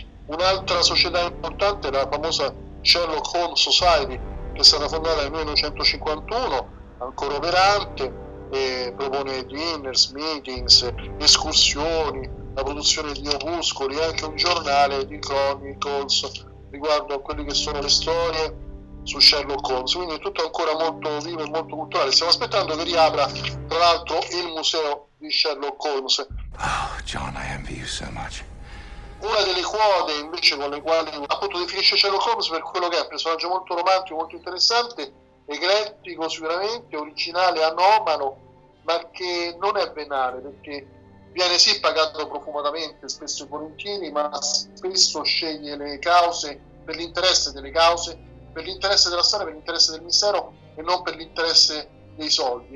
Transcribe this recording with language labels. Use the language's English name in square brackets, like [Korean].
[Italian] Un'altra società importante è la famosa Sherlock Holmes Society, che è stata fondata nel 1951, ancora operante, e propone dinners, meetings, escursioni, la produzione di opuscoli, anche un giornale di Chronicles riguardo a quelle che sono le storie su Sherlock Holmes. Quindi è tutto ancora molto vivo e molto culturale. Stiamo aspettando che riapra, tra l'altro, il museo di Sherlock Holmes. [English] Oh, John, I envy you so much. [Italian] Una delle quote invece con le quali appunto definisce Sherlock Holmes, per quello che è un personaggio molto romantico, molto interessante, eclettico sicuramente, originale, anomalo, ma che non è venale, perché viene sì pagato profumatamente, spesso e volentieri, ma spesso sceglie le cause per l'interesse delle cause, per l'interesse della storia, per l'interesse del mistero e non per l'interesse dei soldi.